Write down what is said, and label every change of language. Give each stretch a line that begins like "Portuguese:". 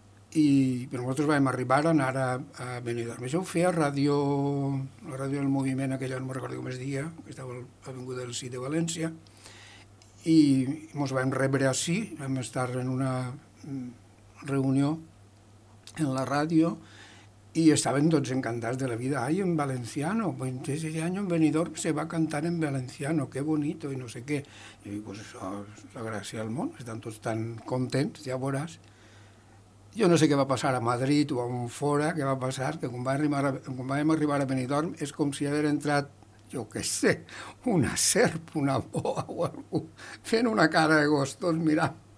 Catalan: Però nosaltres vam arribar a anar a Benidorm. Això ho feia a la ràdio del Moviment, aquella, no me'n recordo com es deia, que estava a l'Avinguda del Cid de València. I ens vam rebre així, vam estar en una reunió en la ràdio i estaven tots encantats de la vida.
Spanish: Ai, en valenciano, pues ese año en Benidorm se va a cantar en valenciano, qué bonito
Catalan: i no sé què. I dic, pues això és la gràcia del món, estan tots tan contents, ja veuràs. Jo no sé què va passar a Madrid o a on fora, què va passar, que quan vam arribar a Benidorm és com si haver entrat, jo què sé, una serp, una boa o algú, fent una cara de gos, tots mirant.